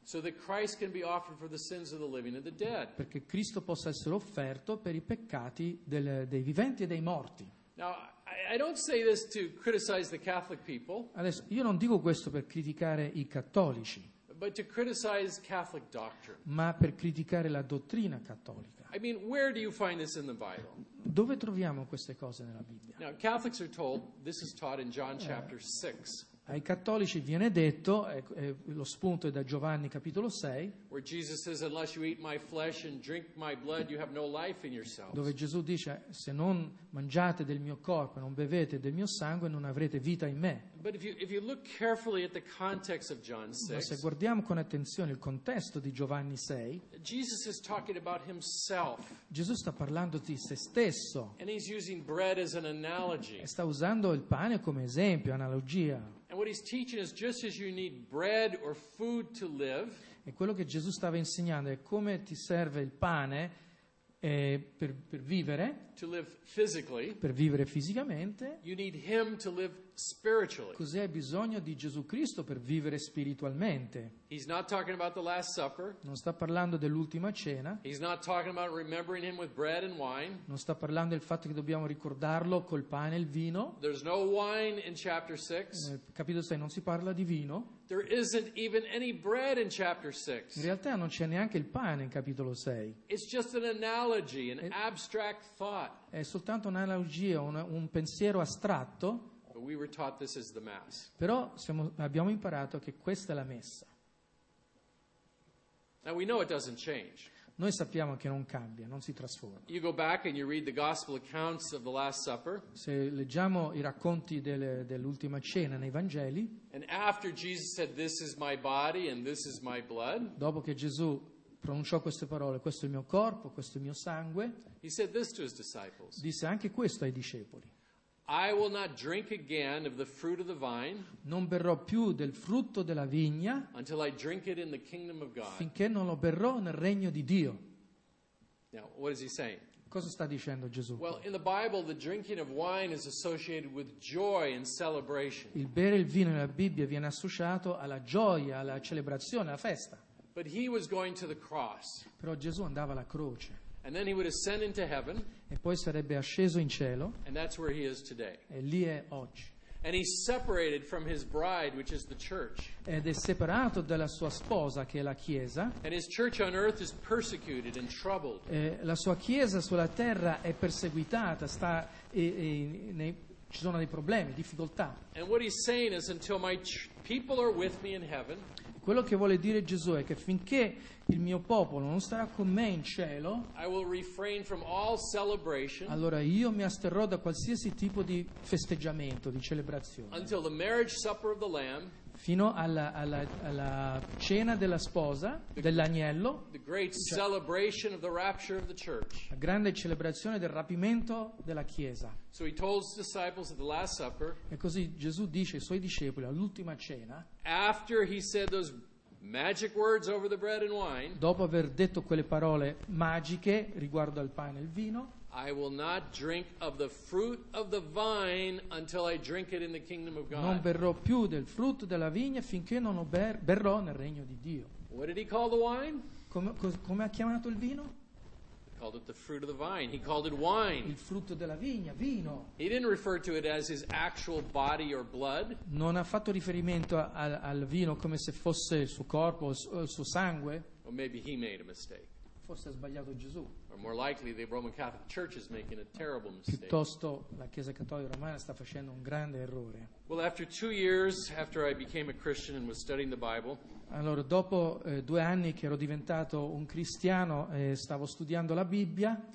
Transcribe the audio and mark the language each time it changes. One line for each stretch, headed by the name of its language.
English: so that Christ can be offered for the sins of the living and the dead,
Italian: perché Cristo possa essere offerto per i peccati dei viventi e dei morti.
English: Now, I don't say this to criticize the Catholic people.
Italian: Adesso io non dico questo per criticare i cattolici,
English: but to criticize Catholic doctrine.
Italian: Ma per criticare la dottrina cattolica.
English: I mean, where do you find this in the Bible?
Italian: Dove troviamo queste cose nella Bibbia?
English: Now, Catholics are told this is taught in John chapter 6.
Italian: Ai cattolici viene detto, lo spunto è da Giovanni capitolo 6,
English: where Jesus says, unless you eat my flesh and drink my blood, you have no life in yourselves.
Italian: Dove Gesù dice, se non mangiate del mio corpo, non bevete del mio sangue, non avrete vita in me.
English: But if you look carefully at the context of John 6,
Italian: ma se guardiamo con attenzione il contesto di Giovanni 6,
English: Jesus is talking about himself.
Italian: Gesù sta parlando di se stesso.
English: And he's using bread as an analogy.
Italian: E sta usando il pane come esempio, analogia.
English: And what he's teaching is just as you need bread or food to live.
Italian: E quello che Gesù stava insegnando è come ti serve il pane per vivere.
English: To live physically.
Italian: Per vivere fisicamente.
English: You need him to live spiritually.
Italian: Così hai bisogno di Gesù Cristo per vivere spiritualmente.
English: He's not talking about the Last Supper.
Italian: Non sta parlando dell'ultima cena.
English: He's not talking about remembering him with bread and wine.
Italian: Non sta parlando del fatto che dobbiamo ricordarlo col pane e il vino.
English: There's no wine in chapter 6.
Italian: Capitolo 6 non si parla di vino.
English: There isn't even any bread in chapter 6.
Italian: In realtà non c'è neanche il pane in capitolo 6.
English: It's just an analogy, an abstract thought.
Italian: È soltanto un'analogia, un pensiero astratto.
English: We were taught this is the mass.
Italian: Però abbiamo imparato che questa è la messa.
English: Now we know it doesn't change.
Italian: Noi sappiamo che non cambia, non si trasforma.
English: You go back and you read the gospel accounts of the Last Supper.
Italian: Se leggiamo i racconti dell'ultima cena nei Vangeli.
English: And after Jesus said this is my body and this is my blood.
Italian: Dopo che Gesù pronunciò queste parole, questo è il mio corpo, questo è il mio sangue.
English: He said this to his disciples.
Italian: Disse anche questo ai discepoli.
English: I will not drink again of the fruit of the vine.
Italian: Non berrò più del frutto della vigna.
English: Until I drink it in the kingdom of God.
Italian: Finché non lo berrò nel regno di Dio.
English: Now, what is he saying?
Italian: Cosa sta dicendo Gesù?
English: Well, in the Bible, the drinking of wine is associated with joy and celebration.
Italian: Il bere il vino nella Bibbia viene associato alla gioia, alla celebrazione, alla festa.
English: But he was going to the cross.
Italian: Però Gesù andava alla croce.
English: And then he would ascend into heaven.
Italian: E poi sarebbe asceso in cielo.
English: And that's where he is today.
Italian: E lì è oggi.
English: And he's separated from his bride, which is the church.
Italian: Ed è separato dalla sua sposa, che è la chiesa.
English: And his church on earth is persecuted and troubled.
Italian: E la sua chiesa sulla terra è perseguitata, sta ci sono dei problemi, difficoltà.
English: And what he's saying is, until my people are with me in heaven.
Italian: Quello che vuole dire Gesù è che finché il mio popolo non starà con me in cielo,
English: I will refrain from all celebration,
Italian: allora io mi asterrò da qualsiasi tipo di festeggiamento, di celebrazione,
English: until the marriage supper of the Lamb,
Italian: fino alla cena della sposa, dell'agnello,
English: the great celebration of the rapture of the church.
Italian: La grande celebrazione del rapimento della Chiesa.
English: So he told his disciples at the last supper,
Italian: e così Gesù dice ai suoi discepoli all'ultima cena,
English: after he said those magic words over the bread and wine,
Italian: dopo aver detto quelle parole magiche riguardo al pane e al vino,
English: I will not drink of the fruit of the vine until I drink it in the kingdom of God.
Italian: Non berrò più del frutto della vigna finché non lo berrò nel regno di Dio.
English: What did he call the wine?
Italian: Come ha chiamato il vino?
English: He called it the fruit of the vine. He called it wine.
Italian: Il frutto della vigna, vino.
English: He didn't refer to it as his actual body or blood.
Italian: Non ha fatto riferimento al vino come se fosse il suo corpo o il suo sangue.
English: Or maybe he made a mistake.
Italian: Forse ha sbagliato Gesù.
English: Or more likely, the Roman Catholic Church is making a terrible mistake.
Italian: Piuttosto la Chiesa Cattolica Romana sta facendo un grande errore.
English: Well, after 2 years after I became a Christian and was studying the Bible.
Italian: Allora, dopo 2 anni che ero diventato un cristiano e stavo studiando la Bibbia.